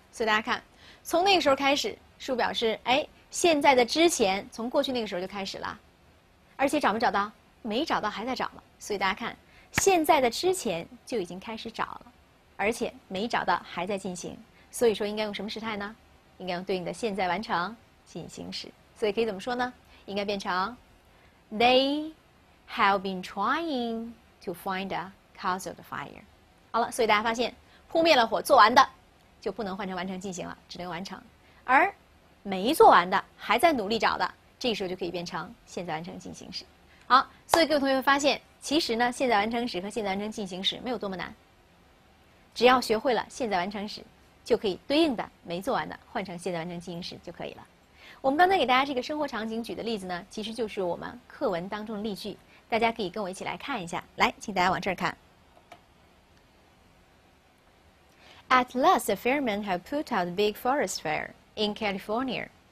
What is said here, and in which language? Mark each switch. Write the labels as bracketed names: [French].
[Chinese] 所以大家看，从那个时候开始，数表示哎，现在的之前，从过去那个时候就开始了，而且找没找到？没找到，还在找嘛。所以大家看，现在的之前就已经开始找了，而且没找到，还在进行。所以说应该用什么时态呢？应该用对应的现在完成进行时。所以可以怎么说呢？应该变成 [English] They have been trying to find a cause of the fire。 [Chinese] 好了，所以大家发现扑灭了火做完的就不能换成完成进行了，只能完成，而没做完的还在努力找的，这个时候就可以变成现在完成进行时。好，所以各位同学会发现，其实呢，现在完成时和现在完成进行时没有多么难，只要学会了现在完成时，就可以对应的没做完的换成现在完成进行时就可以了。我们刚才给大家这个生活场景举的例子呢，其实就是我们课文当中的例句，大家可以跟我一起来看一下。来，请大家往这儿看。 [English] At last, the firemen have put out the big forest fire in California.